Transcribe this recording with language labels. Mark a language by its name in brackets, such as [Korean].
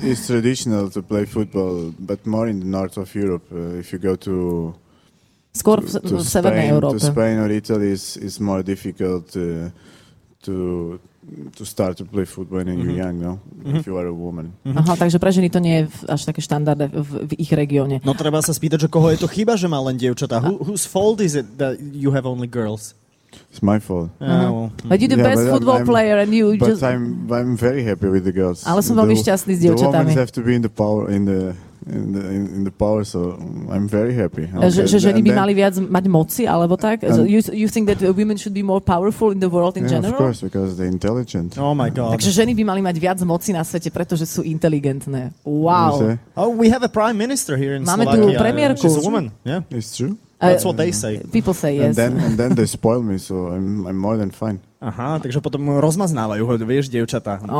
[English] Yes, it's traditional to play football, but more in the north of Europe. If you go to [Slovak] skôr to v severnej Európe. [English] To Spain or Italy is more difficult to start to play football when you're young, no? Mm-hmm. If you are a woman. [Slovak] Mm-hmm. Aha, takže pre ženy to nie je až také štandardné v ich regióne. No treba sa spýtať, že koho je to chyba, že má len dievčatá. [English] Whose fault is it that you have only girls? It's my fault. Yeah, but you're the best football player and you just... But I'm very happy with the girls. [Slovak] Ale som veľmi šťastný s dievčatami. [English] The women have to be in the power, so I'm very happy. [Slovak] Že ženy by mali viac mať moci, alebo tak? [English] So you think that women should be more powerful in the world in general? Of course, because they're intelligent. Oh my God. [Slovak] Takže ženy by mali mať viac moci na svete, pretože sú inteligentné. [English] Wow. Oh, we have a prime minister here in Slovakia. [Slovak] Máme tu premiérku. [English] She's a woman, yeah. It's true. That's what they say. People say, yes. And then they spoil me, so I'm more than fine. [Slovak] Aha, takže potom rozmaznávajú, vieš, dievčatá.